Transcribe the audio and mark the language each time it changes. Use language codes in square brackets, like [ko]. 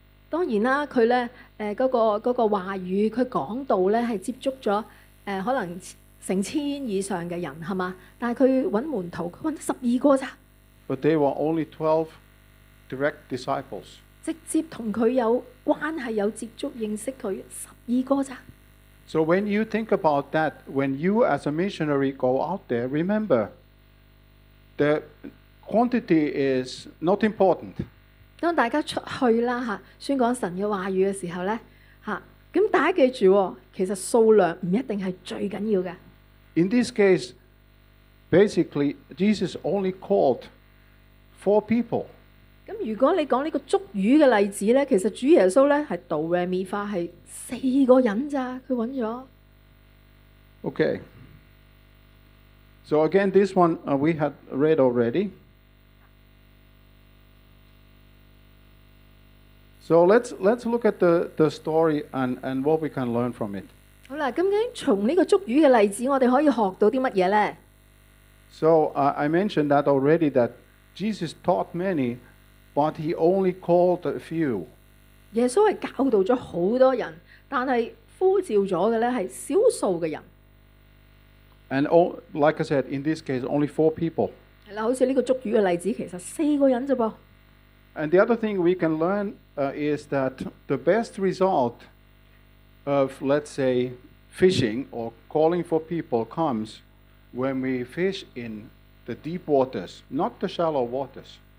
[yue] 當然啦，佢咧嗰個話語，佢講到咧係接觸咗可能成千以上嘅人係嘛？但係佢揾門徒，佢揾十二個咋 [en] ？But they were only 12 direct disciples。 [yue] 直接同佢有關係、有接觸、認識佢十二個咋 [en] ？So when you think about that, when you as a missionary go out there, remember the quantity is not important。 [yue] 当大家出去啦吓，宣讲神嘅话语嘅时候咧吓，咁大家记住，其实数量唔一定系最紧要嘅。 [en] In this case, basically Jesus only called 4 people。 [yue] 咁如果你讲呢个捉鱼嘅例子咧，其实主耶稣咧系哆唻咪发系四个人咋，佢揾咗。 [en] Okay. So again, this one we had read already. So let's look at the story and what we can learn from it. [yue] 好啦，咁究竟从呢个捉鱼嘅例子，我哋可以学到啲乜嘢咧 [en] ？So I mentioned that already that Jesus taught many, but he only called a few. [yue] 耶稣系教导咗好多人，但系呼召咗嘅咧系少数嘅人。 [en] And all, like I said, in this case, only 4 people. [yue] 系啦，好似呢个捉鱼嘅例子，其实四个人啫噃。 [en] And the other thing we can learn is that the best result of, let's say, fishing or calling for people comes when we fish in the deep waters, not the shallow waters.